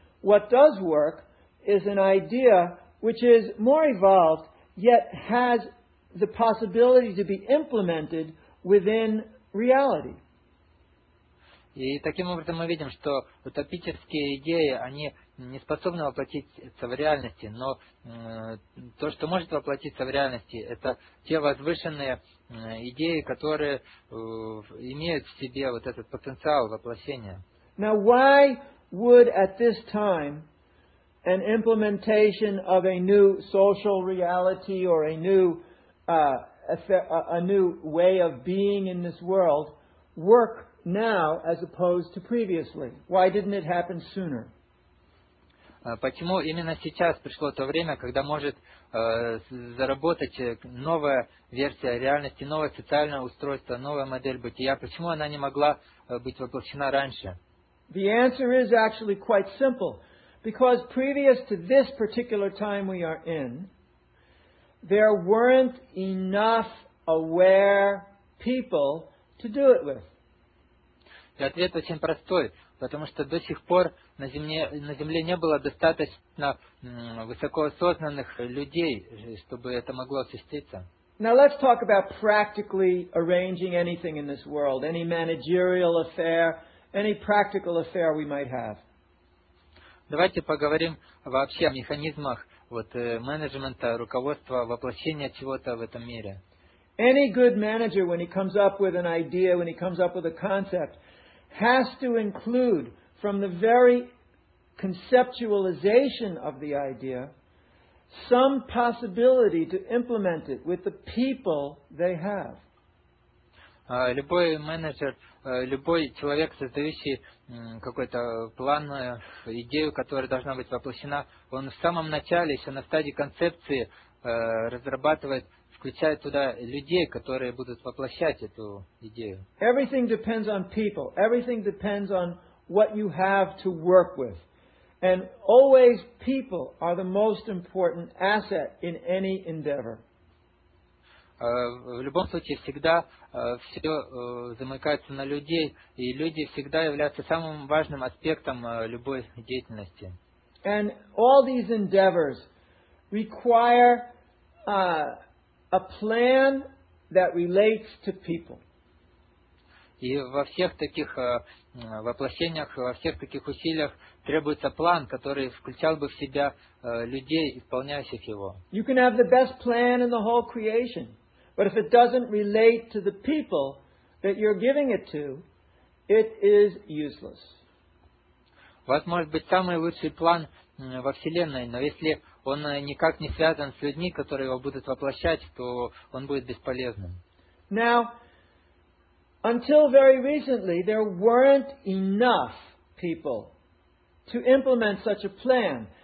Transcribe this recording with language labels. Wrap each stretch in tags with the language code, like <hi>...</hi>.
<en>What does work is an idea which is more evolved, yet has the possibility to be implemented within reality.</en> <ru>И таким образом мы видим, что утопические идеи, они не способны воплотиться в реальности, но то, что может воплотиться в реальности, это те возвышенные идеи, которые имеют в себе вот этот потенциал воплощения.</ru> <en>Now, why would at this time an implementation of a new social reality or a new way of being in this world work now as opposed to previously? Why didn't it happen sooner?</en> <ru>Почему именно сейчас пришло то время, когда может заработать новая версия реальности, новое социальное устройство, новая модель бытия? Почему она не могла быть воплощена раньше?</ru> <en>The answer is actually quite simple. Because previous to this particular time we are in, there weren't enough aware people to do it with.</en> <ru>И ответ очень простой, потому что до сих пор на Земле не было достаточно высокоосознанных людей, чтобы это могло осуществиться.</ru> <en>Now let's talk about practically arranging anything in this world, any managerial affair, any practical affair we might have.</en> <ru>Давайте поговорим вообще о механизмах вот менеджмента, руководства, воплощения чего-то в этом мире.</ru> <en>Any good manager, when he comes up with an idea, when he comes up with a concept, has to include from the very conceptualization of the idea some possibility to implement it with the people they have.</en> <ru>Любой менеджер, любой человек, создающий какой-то план, идею, которая должна быть воплощена, он в самом начале, еще на стадии концепции, разрабатывает, включает туда людей, которые будут воплощать эту идею.</ru> <en>Everything depends on people. Everything depends on what you have to work with. And always people are the most important asset in any endeavor.</en> <ru>В любом случае, всегда все замыкается на людей, и люди всегда являются самым важным аспектом любой деятельности.</ru> <en>And all these endeavors require a plan that relates to people.</en> <ru>И во всех таких воплощениях, во всех таких усилиях требуется план, который включал бы в себя людей, исполняющих его.</ru> <en>You can have the best plan in the whole creation. But if it doesn't relate to the people that you're giving it to, it is useless.</en> <ru>У вас может быть самый лучший план во Вселенной, но если он никак не связан с людьми, которые его будут воплощать, то он будет бесполезным.</ru> <en>Now, until very recently, there weren't enough people to implement such a plan.</en>